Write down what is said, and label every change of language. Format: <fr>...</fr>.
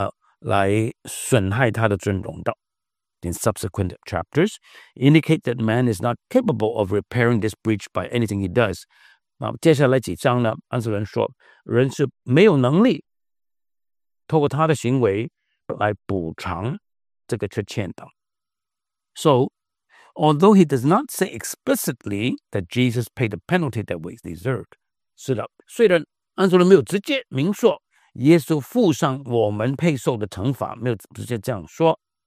<zh>上帝不允许，不论人和天使，不论用最微小的方法来损害他的尊荣的。</zh> <en>In subsequent chapters, indicate that man is not capable of repairing this breach by anything he does.</en> <zh>接下来几章呢，安瑟伦说，人是没有能力透过他的行为来补偿这个缺欠的。</zh> <en>So, although he does not say explicitly that Jesus paid the penalty that was deserved.</en> <zh>是的，虽然安瑟伦没有直接明说耶稣付上我们配受的惩罚，没有直接这样说。</zh>